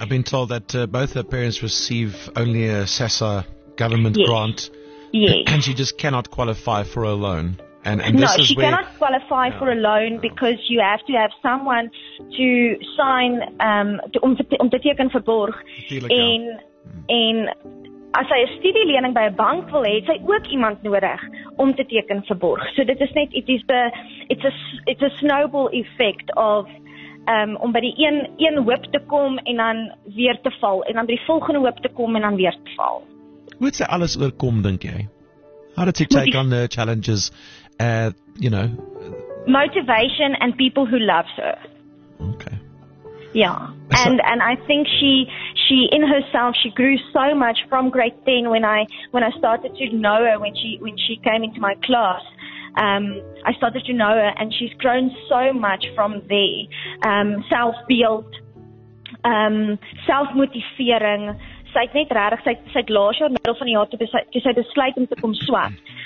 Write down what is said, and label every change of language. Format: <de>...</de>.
<en>I've been told that both her parents receive only a SASSA government grant. Yes. And she just cannot qualify for a loan. For a loan because you have to have someone to sign</en> <af>om te teken vir borg. En as sy 'n studielening by 'n bank wil hê, het sy ook iemand nodig om te teken vir borg. So dit is net</af> <en>it's a snowball effect</en> <af>of om by die een hoop te kom en dan weer te val en dan by die volgende hoop te kom en dan weer te val. Hoe het sy alles oorkom dink jy?</af> <en>How did she take on the challenges motivation and people who love her. Okay. Yeah. And I think she in herself she grew so much from grade 10 when I started to know her when she came into my class. I started to know her and she's grown so much from there.</en> <af>Self-beeld, self-motivering, sy het net regtig sy het laas jaar middel van die jaar toe sy besluit om te kom swat.</af>